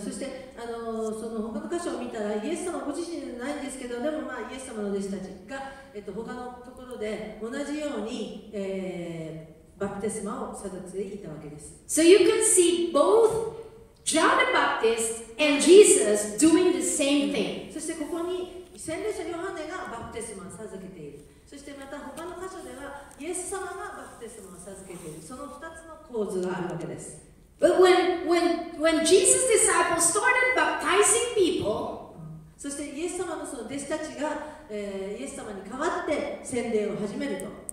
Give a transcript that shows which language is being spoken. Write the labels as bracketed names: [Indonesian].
[Japanese] そしてあのその他の箇所を見たらイエス様ご自身じゃないんですけど、でもまあイエス様の弟子たちが他のところで同じように、バプテスマを授けていたわけです。 [English] So you can see both John the Baptist and Jesus doing the same thing. [Japanese] そしてここに洗礼者ヨハネがバプテスマを授けている。そしてまた他の箇所ではイエス様がバプテスマを授けている。その2つの構図があるわけです。 [English] But when Jesus' disciples started baptizing people, [Japanese] そしてイエス様のその弟子たちが、イエス様に代わって洗礼を始めると、